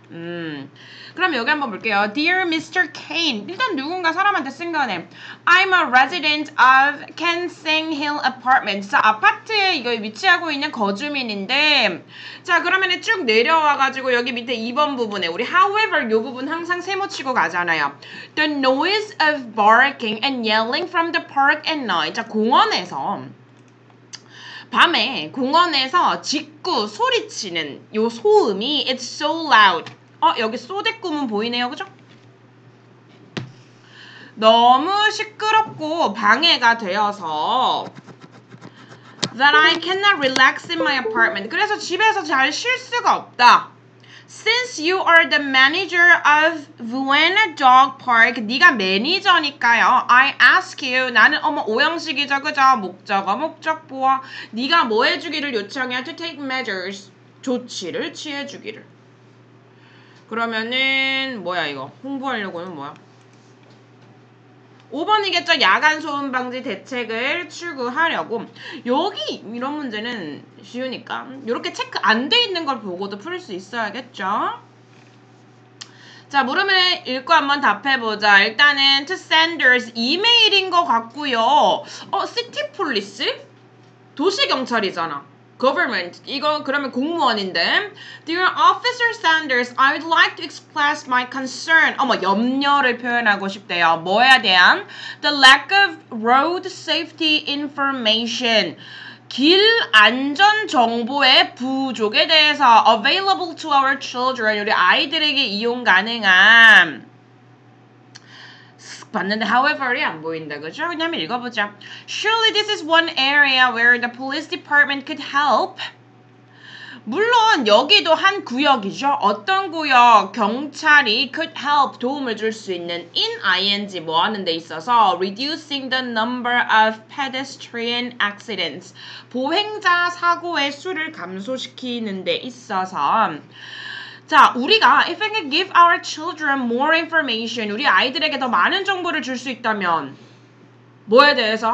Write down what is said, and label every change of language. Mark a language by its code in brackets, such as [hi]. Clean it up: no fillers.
[ko] 그럼 여기 한번 볼게요. [en] Dear Mr. Kane. [ko] 일단 누군가 사람한테 쓴 거네. [en] I'm a resident of Kensing Hill Apartment. [ko] 자, 아파트에 이거 위치하고 있는 거주민인데, 자, 그러면 쭉 내려와가지고 여기 밑에 2번 부분에 우리 however 요 부분 항상 세모치고 가잖아요. [en] The noise of barking and yelling from the park at night. [ko] 자, 공원에서 밤에 공원에서 짖고 소리치는 요 소음이 [en] It's so loud. [ko] 여기 소대꿈은 보이네요. 그죠? 너무 시끄럽고 방해가 되어서 [en] That I cannot relax in my apartment. 그래서 집에서 잘 쉴 수가 없다. Since you are the manager of Vuena Dog Park, [ko] 네가 매니저니까요. [en] I ask you, [ko] 나는 어머 오형식이죠, 그죠? 목적어, 목적 보어. 네가 뭐 해주기를 요청해? [en] To take measures, [ko] 조치를 취해주기를. 그러면은 뭐야 이거? 홍보하려고는 뭐야? 5번이겠죠? 야간 소음 방지 대책을 추구하려고. 여기 이런 문제는 쉬우니까 이렇게 체크 안 돼 있는 걸 보고도 풀 수 있어야겠죠? 자, 물음을 읽고 한번 답해보자. 일단은 to senders 이메일인 것 같고요. [en] city police? [ko] 도시경찰이잖아. [en] Government. [ko] 이거 그러면 공무원인데. [en] Dear Officer Sanders, I would like to express my concern. [ko] 어머, 염려를 표현하고 싶대요. 뭐에 대한? [en] The lack of road safety information. [ko] 길 안전 정보의 부족에 대해서 [en] available to our children. [ko] 우리 아이들에게 이용 가능한. 봤는데 however이 안 보인다. 그죠? 그냥 한번 읽어보자. [en] Surely this is one area where the police department could help. [ko] 물론 여기도 한 구역이죠. 어떤 구역? 경찰이 [en] could help [ko] 도움을 줄 수 있는 in ing 뭐 하는 데 있어서 [en] reducing the number of pedestrian accidents. [ko] 보행자 사고의 수를 감소시키는 데 있어서 자, 우리가 [en] if we can give our children more information, [ko] 우리 아이들에게 더 많은 정보를 줄 수 있다면 뭐에 대해서?